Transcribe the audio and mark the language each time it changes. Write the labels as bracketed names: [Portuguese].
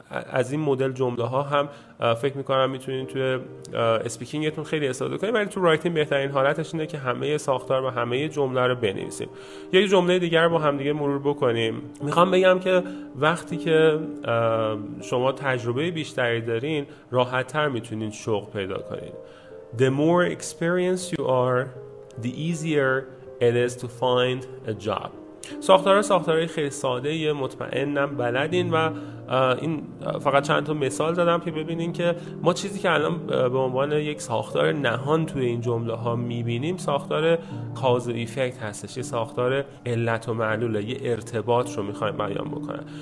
[Persian] از این مدل جمله ها هم فکر میکنم میتونین توی اسپیکینگتون خیلی استفاده کنین، ولی تو رایتینگ بهترین حالتش اینه که همه ساختار و همه جمله رو بنویسیم. یه جمله دیگر با هم دیگه مرور بکنیم. میخوام بگم که وقتی که شما تجربه بیشتری دارین راحت تر میتونین شغل پیدا کنین. [English] The more experienced you are, the easier it is to find a job. [Persian] ساختارهای خیلی ساده، مطمئنم بلدین و این فقط چند تا مثال زدم که ببینین که ما چیزی که الان به عنوان یک ساختار نهان توی این جمله ها میبینیم ساختار کاز و ایفکت هستش، یه ساختار علت و معلوله، یه ارتباط رو میخوایم بیان بکنن.